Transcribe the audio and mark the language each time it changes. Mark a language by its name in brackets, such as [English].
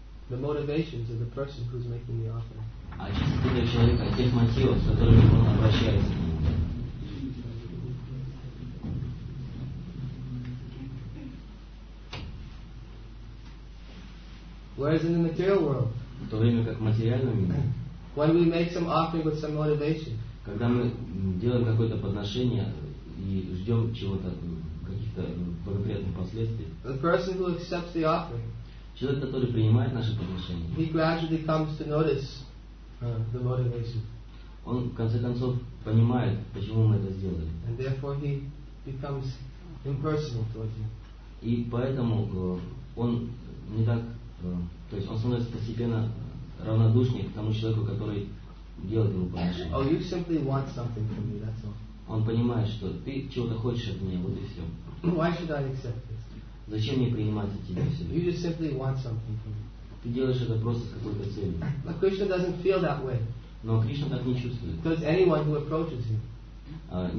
[English] the motivations of the person who's making the offer. [Russian] Очистить этого человека от тех мотивов, с которыми он обращается. [English] Whereas in the material world, [Russian] в то время как в материальном мире, [English] when we make some offering with some motivation, [Russian] когда мы делаем какое-то подношение и ждем чего-то, каких-то благоприятных последствий. [English] The person who accepts the offering, [Russian] человек, который принимает наше подношение, [English] he gradually comes to notice the motivation. [Russian] Он в конце концов понимает, почему мы это сделали. [English] And therefore he becomes impersonal towards you. [Russian] И поэтому он не так, то есть он становится постепенно равнодушнее к тому человеку, который делает ему подношение. [English] Oh, you simply want something from me, that's all. [Russian] Он понимает, что ты чего-то хочешь от меня, вот и все. [English] Why should I accept this? [Russian] Зачем мне принимать от тебя все? [English] You just simply want something from me. [Russian] Ты делаешь это просто с какой-то целью. [English] But Krishna doesn't feel that way. [Russian] Но Кришна так не чувствует. [English] Because anyone who approaches him,